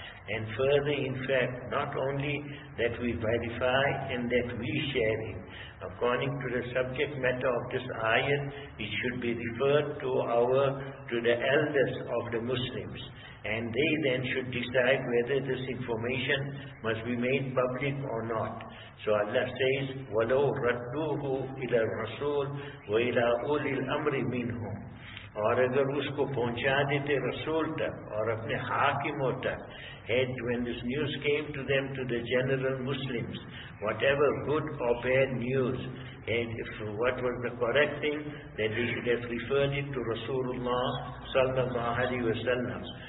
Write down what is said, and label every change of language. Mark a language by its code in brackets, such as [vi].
[en] And further, in fact, not only that we verify and that we share it, according to the subject matter of this ayat, it should be referred to the elders of the Muslims. And they then should decide whether this information must be made public or not. So Allah says, [ar] وَلَوْ رَدُّوهُ إِلَى الرَّسُولِ وَإِلَىٰ أُولِي الْأَمْرِ مِنْهُمْ. [ur] اور اگر اس کو پہنچا دیتے رسول تک اور اپنے حاکموں تک, [en] had when this news came to them, to the general Muslims, whatever good or bad news, and if what was the correct thing, then they should have referred it to Rasulullah sallallahu alayhi wa sallam.